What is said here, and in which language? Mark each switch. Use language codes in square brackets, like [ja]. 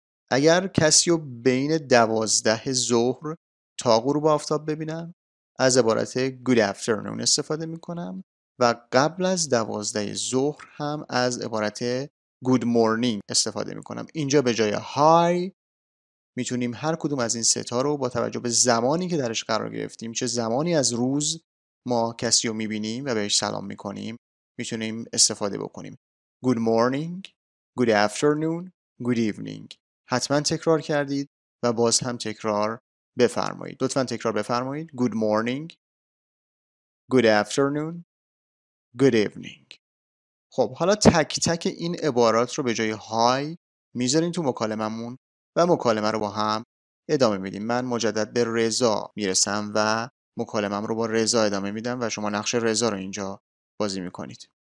[fa] اگر کسی رو بین 12 ظهر تا غروب آفتاب ببینم از عبارت good afternoon استفاده میکنم و قبل از 12 ظهر هم از عبارت good morning استفاده میکنم. اینجا به جای های میتونیم هر کدوم از این ستا رو با توجه به زمانی که درش قرار گرفتیم، چه زمانی از روز ما کسی رو میبینیم و بهش سلام میکنیم، میتونیم استفاده بکنیم. [en] Good morning, good afternoon, good evening. [fa] حتما تکرار کردید و باز هم تکرار بفرمایید. لطفا تکرار بفرمایید. [en] Good morning, good afternoon, good evening. [fa] خب حالا تک تک این عبارات رو به جای های میذارین تو مکالممون و مکالمه رو با هم ادامه میدیم. من مجدد به رضا میرسم و مکالمم رو با رضا ادامه میدم و شما نقش رضا رو اینجا بازی میکنید.